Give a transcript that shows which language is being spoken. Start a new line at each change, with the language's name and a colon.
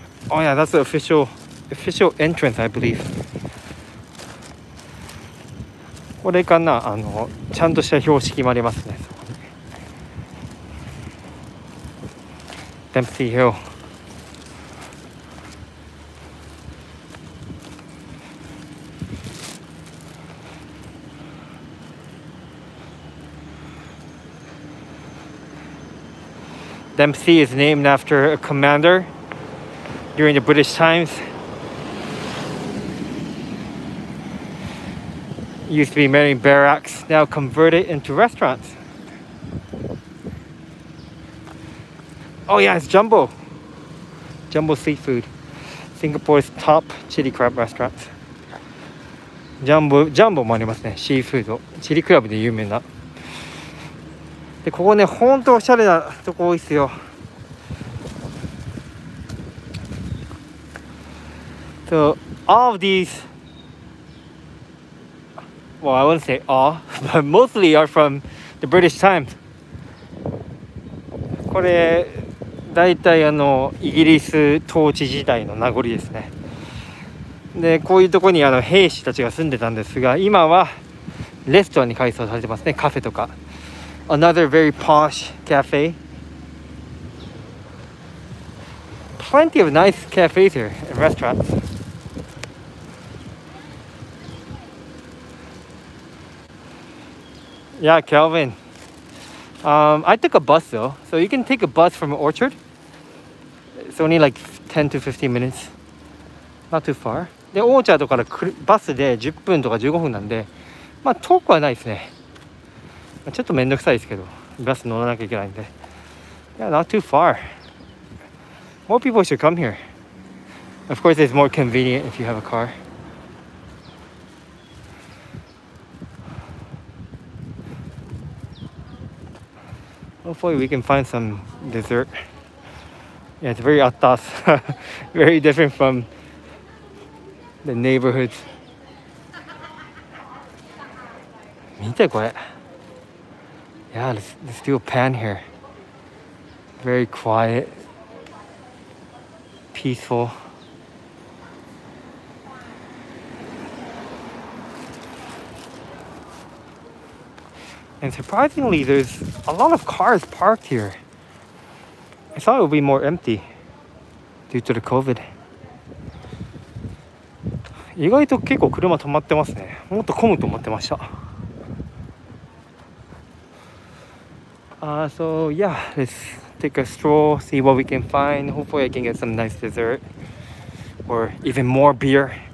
English: Oh yeah, that's the official entrance, I believe.
Japanese: これかな、ちゃんとした標識もありますね。
English: Dempsey Hill. Dempsey is named after a commander during the British times. Used to be many barracks, now converted into restaurants. Oh yeah, it's Jumbo. Jumbo Seafood, Singapore's top chili crab restaurant.
Japanese: Jumbo もありますね。シーフード、チリクラブで有名な。で、ここね、ほんとおしゃれなとこ多いっすよ。
English: So, all of these, well, I wouldn't say all, but mostly are from the British times.
Japanese: これ、だいたいイギリス統治時代の名残ですね。で、こういうとこに兵士たちが住んでたんですが、今はレストランに改装されてますね、カフェとか。
English: Another very posh cafe. Plenty of nice cafes here and restaurants. Yeah, Kelvin. I took a bus though. So you can take a bus from Orchard. It's only like 10 to 15 minutes. Not too far.
Japanese: で、オーチャードからバスで10分とか15分なんで、まあ遠くはないですね。ちょっとめんどくさいですけど、バス乗らなきゃいけないんで。
English: Yeah, not too far. More people should come here. Of course, it's more convenient if you have a car. Hopefully, we can find some dessert. Yeah, it's very atas. Very different from the neighborhoods.
Japanese: 見てこれ。
English: Yeah, there's still pan here. Very quiet, peaceful. And surprisingly, there's a lot of cars parked here. I thought it would be more empty due to the COVID.
Japanese: 意外と結構車止まってますね。もっと混むと思ってました。
English: So yeah, let's take a stroll, see what we can find. Hopefully I can get some nice dessert or even more beer.